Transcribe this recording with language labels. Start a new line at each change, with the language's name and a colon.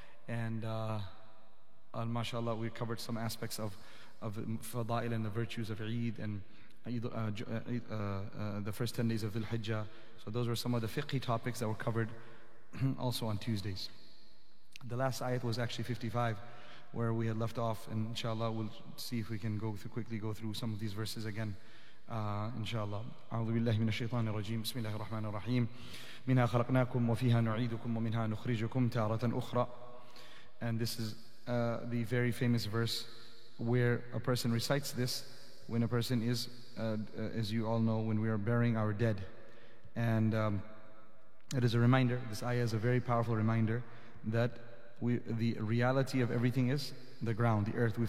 English: And mashallah, we covered some aspects of fada'il and the virtues of Eid and the first 10 days of Dhul Hijjah. So those were some of the fiqhi topics that were covered also on Tuesdays. The last ayat was actually 55, where we had left off, and inshallah we'll see if we can go through some of these verses again. Inshallah.
Arabic: أعوذ بالله من الشيطان الرجيم بسم الله الرحمن الرحيم منها خلقناكم وفيها نعيدكم ومنها نخرجكم تارة أخرى.
English: And this is the very famous verse where a person recites this when a person is, as you all know, when we are burying our dead. And it is a reminder, this ayah is a very powerful reminder that the reality of everything is the ground, the earth.